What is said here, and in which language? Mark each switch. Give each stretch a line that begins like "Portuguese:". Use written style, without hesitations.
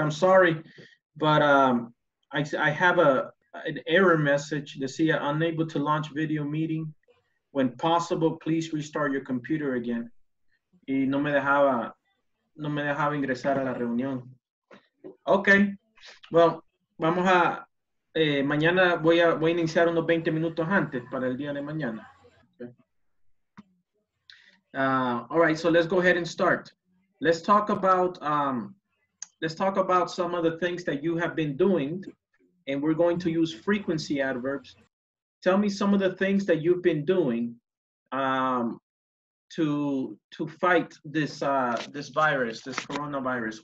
English: I'm sorry, but I have an error message to see I'm unable to launch video meeting. When possible, please restart your computer again.
Spanish: Y no me dejaba ingresar a la reunión. Okay. Well, vamos a mañana voy a iniciar unos 20 minutos antes para el día de mañana.
English: Okay. All right, so let's go ahead and start. Let's talk about some of the things that you have been doing, and we're going to use frequency adverbs. Tell me some of the things that you've been doing to fight this this virus, this coronavirus.